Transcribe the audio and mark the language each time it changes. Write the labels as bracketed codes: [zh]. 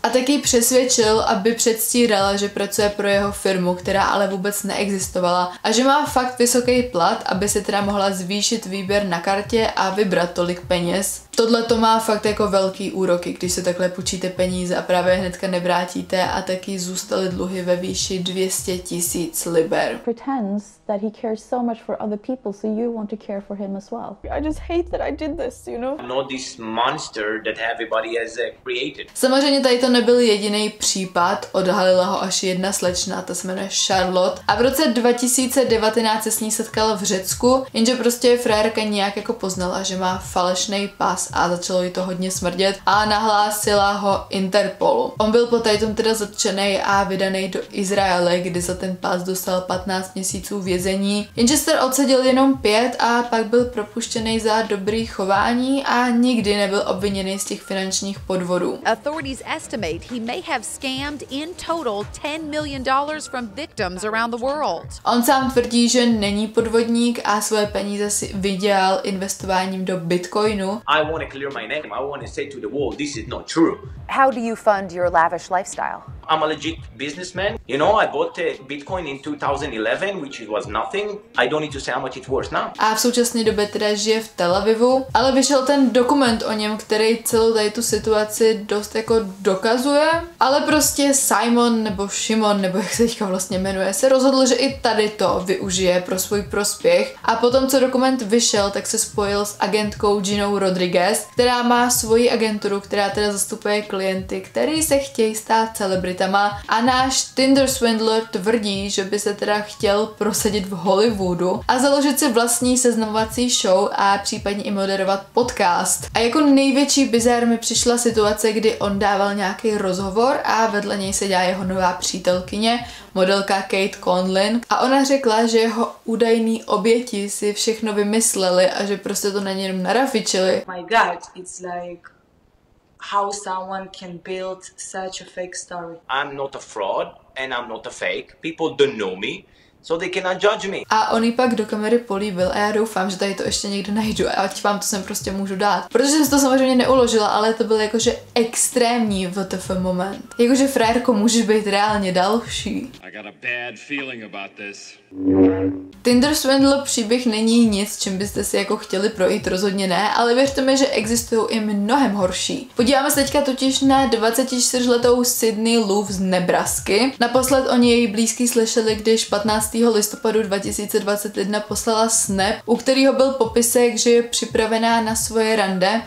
[cs] A taky přesvědčil, aby předstírala, že pracuje pro jeho firmu, která ale vůbec neexistovala a že má fakt vysoký plat, aby se teda mohla zvýšit výběr na kartě a vybrat tolik peněz. Tohle to má fakt jako velký úroky, když se takhle půjčíte peníze a právě hnedka nevrátíte a taky zůstaly dluhy ve výši 200 tisíc liber. [en] Pretends that he cares so much for other people, so you want to care for him as well. I just hate that I did this, you know? Not this monster that everybody has created. [cs] Samozřejmě tady to nebyl jediný případ, odhalila ho až jedna slečna, ta se jmenuje Charlotte. A v roce 2019 se s ní setkala v Řecku, jenže prostě frajerka nějak jako poznala, že má falešný pás a začalo jí to hodně smrdět a nahlásila ho Interpolu. On byl po tajtom teda zatčený a vydaný do Izraele, kdy za ten pás dostal 15 měsíců vězení. Inchester odseděl jenom 5 a pak byl propuštěný za dobrý chování a nikdy nebyl obviněný z těch finančních podvodů. [en] Authorities estimate he may have scammed in total $10 million from victims around the world. [cs] On sám tvrdí, že není podvodník a svoje peníze si vydělal investováním do Bitcoinu. [en] I want to clear my name. I want to say to the world, this is not true. How do you fund your lavish lifestyle? I'm a legit businessman. You know, I bought Bitcoin in 2011, which was nothing. I don't need to say how much it's worth now. [cs] A v současné době teda žije v Tel Avivu, ale vyšel ten dokument o něm, který celou tady tu situaci dost jako dokazuje. Ale prostě Simon nebo Shimon, nebo jak se teďka vlastně jmenuje, se rozhodl, že i tady to využije pro svůj prospěch. A potom, co dokument vyšel, tak se spojil s agentkou Ginou Rodriguez, která má svoji agenturu, která teda zastupuje klienty, který se chtějí stát celebritou. celebritama a náš Tinder Swindler tvrdí, že by se teda chtěl prosadit v Hollywoodu a založit si vlastní seznamovací show a případně i moderovat podcast. A jako největší bizár mi přišla situace, kdy on dával nějaký rozhovor a vedle něj seděla jeho nová přítelkyně, modelka Kate Conlin, a ona řekla, že jeho údajný oběti si všechno vymysleli a že prostě to na něj jenom narafičili. [en] My God, it's like how someone can build such a fake story. I'm not a fraud and I'm not a fake. People don't know me, so they cannot judge me. [cs] A on ji pak do kamery políbil a já doufám, že tady to ještě někde najdu a ať vám to sem prostě můžu dát. Protože jsem si to samozřejmě neuložila, ale to byl jakože extrémní WTF moment. Jakože frajerko, můžeš být reálně další. [en] I got a bad feeling about this. [cs] Tinder Swindle příběh není nic, čím byste si jako chtěli projít, rozhodně ne, ale věřte mi, že existují i mnohem horší. Podíváme se teďka totiž na 24-letou Sydney Love z Nebrasky. Naposled o ní její blízký slyšeli, když 15. listopadu 2021 poslala snap, u kterého byl popisek, že je připravená na svoje rande.